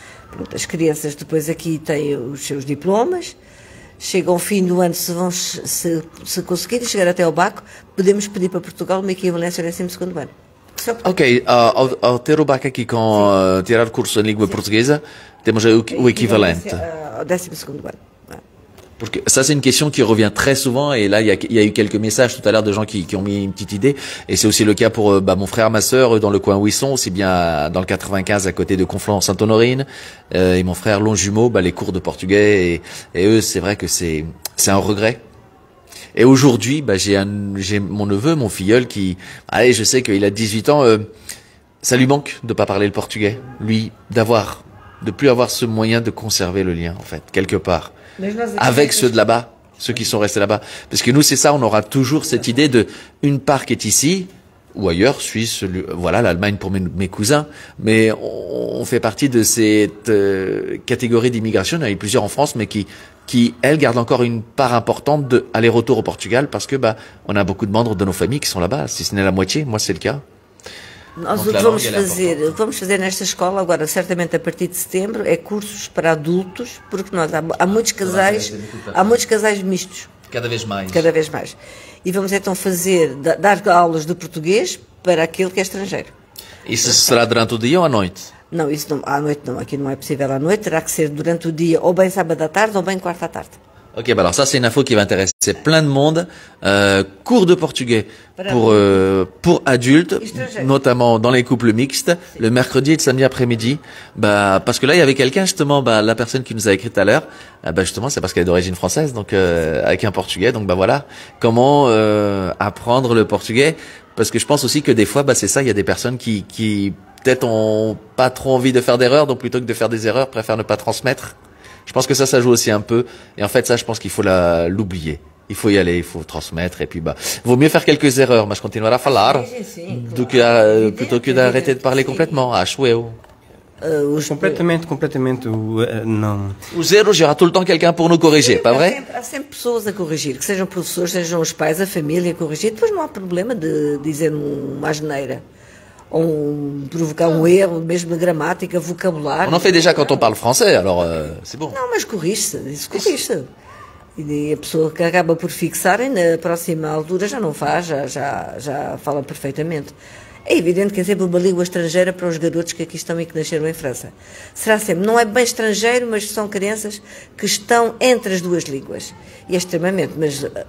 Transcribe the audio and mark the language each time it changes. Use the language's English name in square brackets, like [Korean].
[Portuguese] Pronto, as crianças depois aqui têm os seus diplomas, chegam ao fim do ano, se conseguirem chegar até ao BAC, podemos pedir para Portugal uma equivalência ao 12º ano. Ok, ao ter o BAC aqui com tirar curso em língua portuguesa, temos o equivalente. Ao 12º ano. [French] Porque ça, c'est une question qui revient très souvent, et là, il y a eu quelques messages tout à l'heure de gens qui ont mis une petite idée, et c'est aussi le cas pour mon frère, ma sœur, dans le coin où ils sont, aussi bien dans le 95 à côté de Conflans-Sainte-Honorine, et mon frère Longjumeau, les cours de portugais, et eux, c'est vrai que c'est un regret. Et aujourd'hui, j'ai mon neveu, mon filleul, qui, allez, je sais qu'il a 18 ans, ça lui manque de pas parler le portugais, lui, de plus avoir ce moyen de conserver le lien, en fait, quelque part. Avec ceux de là-bas, ceux qui sont restés là-bas. Parce que nous, c'est ça, on aura toujours cette idée de une part qui est ici, ou ailleurs, Suisse, l'Allemagne pour mes cousins, mais on fait partie de cette catégorie d'immigration, il y en a eu plusieurs en France, mais qui, elle, garde encore une part importante d'aller-retour au Portugal, parce que on a beaucoup de membres de nos familles qui sont là-bas, si ce n'est la moitié, moi c'est le cas. [Portuguese] Nós o que vamos fazer nesta escola, agora certamente a partir de setembro, é cursos para adultos, porque nós há muitos casais mistos. Cada vez mais. E vamos então fazer, dar aulas de português para aquele que é estrangeiro. Isso será durante o dia ou à noite? Não, isso não, à noite não, aqui não é possível à noite, terá que ser durante o dia, ou bem sábado à tarde, ou bem quarta à tarde. [French] Ok, alors ça c'est une info qui va intéresser plein de monde. Cours de portugais pour adultes, notamment dans les couples mixtes, le mercredi et le samedi après-midi. Parce que là, il y avait quelqu'un, justement, la personne qui nous a écrit tout à l'heure, justement, c'est parce qu'elle est d'origine française, donc avec un portugais. Donc voilà, comment apprendre le portugais? Parce que je pense aussi que des fois, c'est ça, il y a des personnes qui peut-être ont pas trop envie de faire d'erreurs, donc plutôt que de faire des erreurs, préfèrent ne pas transmettre. Je pense que ça joue aussi un peu. Et en fait, ça, je pense qu'il faut l'oublier. Il faut y aller, il faut transmettre. Et puis, vaut mieux faire quelques erreurs, mais je continuerai à falar. Plutôt que d'arrêter de parler complètement. Complètement, non. Aux erreurs, il y aura tout le temps quelqu'un pour nous corriger, pas vrai? Il y a [Portuguese] sempre pessoas à corrigir, que sejam professores, sejam os pais, a família à corrigir. Depois, não há problema de dizer uma asneira. Ou provocar um erro, mesmo na gramática, vocabulário. [French] On en fait déjà quand on parle français, alors c'est bon. [Portuguese] Não, mas corrige-se. E a pessoa que acaba por fixar, na próxima altura já não faz, já fala perfeitamente. É evidente que é sempre uma língua estrangeira para os garotos que aqui estão e que nasceram em França. Será sempre. Não é bem estrangeiro, mas são crianças que estão entre as duas línguas. E é extremamente, mas...